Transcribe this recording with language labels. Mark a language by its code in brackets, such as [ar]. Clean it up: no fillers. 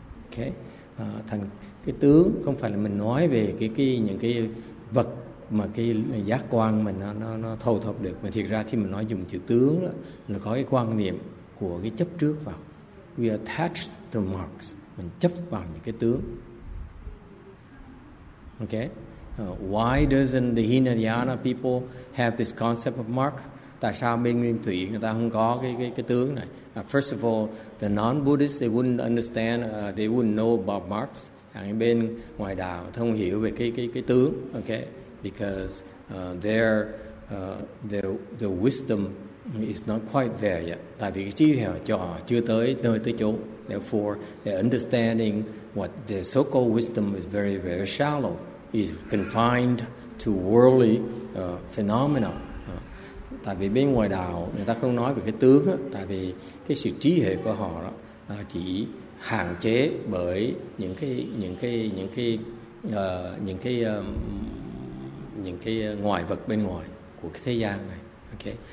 [vi] Okay, thành cái tướng không phải là mình nói về cái những cái vật mà cái giác quan mình nó thâu thập được, mà thiệt ra khi mình nói dùng chữ tướng đó, là có cái quan niệm của cái chấp trước vào. [en] We attach the marks, [vi] mình chấp vào những cái tướng. [en] Okay, why doesn't the Hinayana people have this concept of mark? [vi] Tại sao bên Nguyên Thủy người ta không có cái tướng này? [en] First of all, the non-Buddhists, they wouldn't understand, they wouldn't know about marks. [vi] Bên ngoài đạo không hiểu về cái tướng. [en] Okay. Because their wisdom is not quite there yet. [vi] Tại vì cái trí hiểu cho họ chưa tới nơi tới chỗ. [en] Therefore, their understanding what their so-called wisdom is very very shallow, is confined to worldly phenomena. [vi] Tại vì bên ngoài đạo người ta không nói về cái tướng. Tại vì cái sự trí hiểu của họ đó chỉ hạn chế bởi những cái ngoài vật bên ngoài của cái thế gian này. Okay.